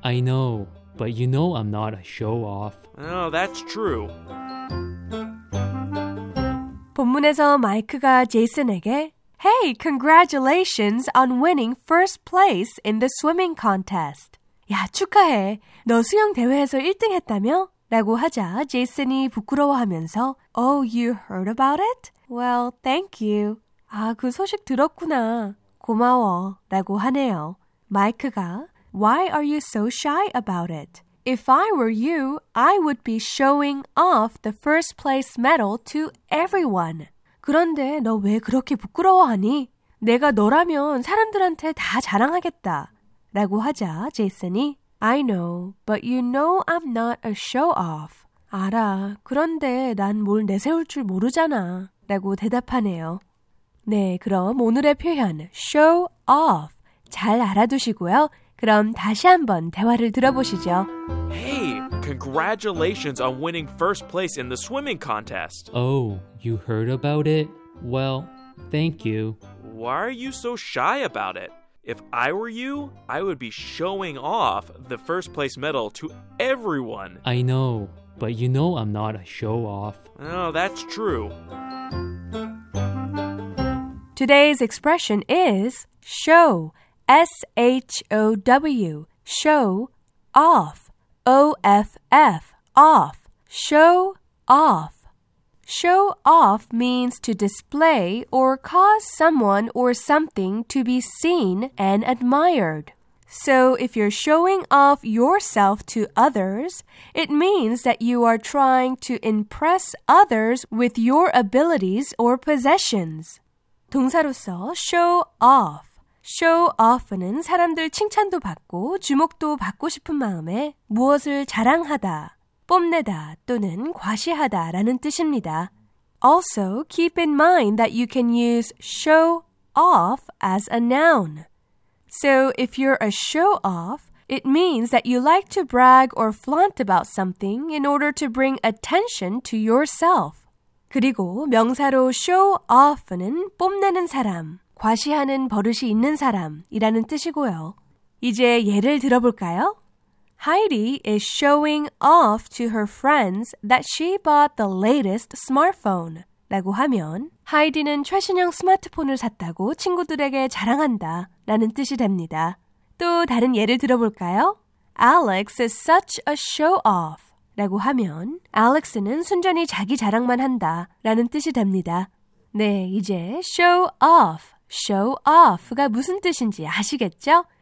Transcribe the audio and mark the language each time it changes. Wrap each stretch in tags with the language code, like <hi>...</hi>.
<en>I know. But you know I'm not a show-off. Oh, that's true.</en> <ko>본문에서 마이크가 제이슨에게</ko> <en>Hey, congratulations on winning first place in the swimming contest.</en> <ko>야, 축하해. 너 수영 대회에서 1등 했다며? 라고 하자 제이슨이 부끄러워하면서</ko> <en>Oh, you heard about it? Well, thank you.</en> <ko>아, 그 소식 들었구나. 고마워. 라고 하네요.</ko> <en>마이크가 Why are you so shy about it? If I were you, I would be showing off the first place medal to everyone.</en> <ko>그런데 너 왜 그렇게 부끄러워하니? 내가 너라면 사람들한테 다 자랑하겠다. 라고 하자 제이슨이</ko> <en>I know, but you know I'm not a show-off.</en> <ko>알아, 그런데 난 뭘 내세울 줄 모르잖아. 라고 대답하네요. 네, 그럼 오늘의 표현 show-off 잘 알아두시고요. 그럼 다시 한번 대화를 들어보시죠.</ko> <en>Hey, congratulations on winning first place in the swimming contest. Oh, you heard about it? Well, thank you. Why are you so shy about it? If I were you, I would be showing off the first place medal to everyone. I know, but you know I'm not a show-off. Oh, that's true. Today's expression is show S-H-O-W, show off, O-F-F, off, show off. Show off means to display or cause someone or something to be seen and admired. So if you're showing off yourself to others, it means that you are trying to impress others with your abilities or possessions.</en> <ko>동사로서 show off. Show off는 사람들 칭찬도 받고 주목도 받고 싶은 마음에 무엇을 자랑하다, 뽐내다 또는 과시하다 라는 뜻입니다.</ko> <en>Also, keep in mind that you can use show off as a noun. So, if you're a show off, it means that you like to brag or flaunt about something in order to bring attention to yourself.</en> <ko>그리고 명사로 show off는 뽐내는 사람, 과시하는 버릇이 있는 사람이라는 뜻이고요. 이제 예를 들어볼까요?</ko> <en>Heidi is showing off to her friends that she bought the latest smartphone.</en> <ko>라고 하면 Heidi는 최신형 스마트폰을 샀다고 친구들에게 자랑한다 라는 뜻이 됩니다. 또 다른 예를 들어볼까요?</ko> <en>Alex is such a show-off.</en> <ko>라고 하면 Alex는 순전히 자기 자랑만 한다 라는 뜻이 됩니다. 네, 이제 show off. Show off가 무슨 뜻인지 아시겠죠?</ko>